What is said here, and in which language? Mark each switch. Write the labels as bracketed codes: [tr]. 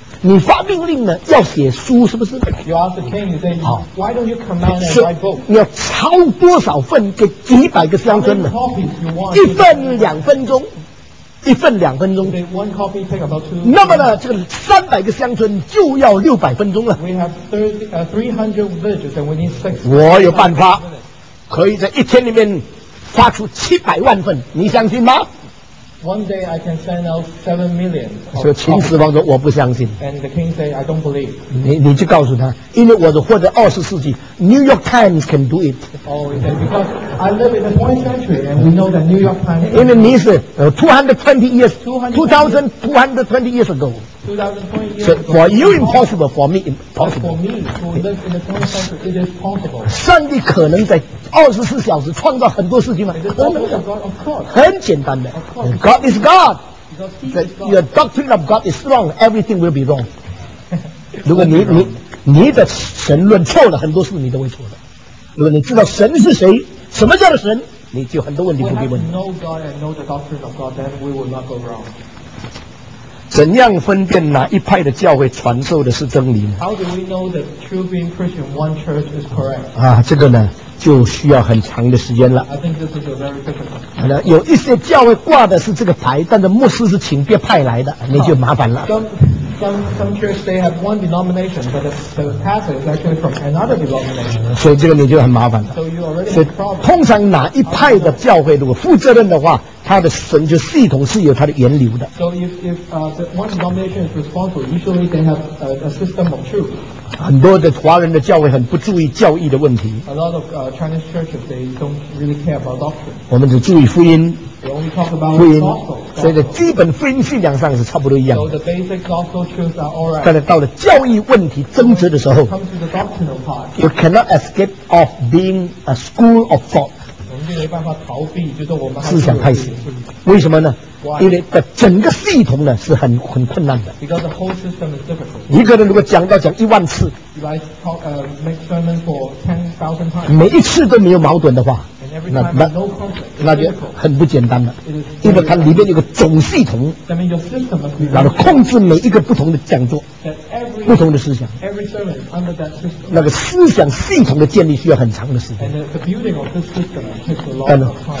[zh] 你发命令呢，要写书是不是 [en] ？You ask the king, you say, why don't you command and write books? [zh] 你要抄多少份，给几百个乡绅呢？一份两分钟。一份两分钟，那么呢，这个三百个乡村就要六百分钟了。我有办法，可以在一天里面发出七百万份，你相信吗？ [en] One day I can send out 7 million. [zh] 说秦始皇说我不相信。 [en] And the king say I don't believe. [zh] 你就告诉他，因为我是活在二十世纪 ， [en] New York Times can do it. Oh, because I live in the 20th century, and we know that New York Times. [zh] 因为你是 [en] 220 years, 2,220 years ago. 2,020 years. So for you impossible, for me impossible. But for me who lives in the 20th century, it is possible. [zh] 上帝可能在24小时创造很多事情吗？可能的，很简单的。 [en] God is God. Your doctrine of God is wrong. Everything will be wrong. [zh] 如果你的神论错了，很多事你都会错的。如果你知道神是谁，什么叫做神，你就很多问题不必问。 [en] If we know God and know the doctrine of God, then we will not go wrong. [zh] 怎样分辨哪一派的教会传授的是真理呢？ [en] How do we know that true being Christian one church is correct? [zh] 啊，这个呢？就需要很长的时间了。 [en] I think this is a very difficult. [zh] 有一些教会挂的是这个牌，但是牧师是请别派来的，你就麻烦了。 [en] Some churches they have one denomination, but the pastor is actually from another denomination. [zh] 所以这个你就很麻烦了。 [en] So you already have problems. [zh] 通常哪一派的教会如果负责任的话，他的神就系统是有他的源流的。 [en] So if the one denomination is responsible, usually they have a system of truth. [zh] 很多的华人的教会很不注意教义的问题。 [en] A lot of Chinese churches they don't really care about doctrine. [zh] 我们只注意福音。 [en] They only talk about [zh] 福音 [en] gospel. [zh] 所以在基本福音信仰上是差不多一样的。 [en] So the basic gospel truths are all right. [zh] 但是到了教义问题争执的时候 [en] ，comes to the doctrinal part. You cannot escape of being a school of thought. [zh] 我们就没办法逃避，就是我们思想派系。为什么呢？因为整个系统呢是很困难的。 [en] Because the whole system is difficult. [zh] 一个人如果讲到讲一万次 [en] make sermon for 10,000 times, [zh] 每一次都没有矛盾的话 [en] and every time no conflict, [zh] 那就很不简单了。因为它里面有个总系统，然后控制每一个不同的讲座 不同的思想 [en] every sermon is under that system. [zh] 那个思想系统的建立需要很长的时间。 [en] And the building of this system takes a lot of time.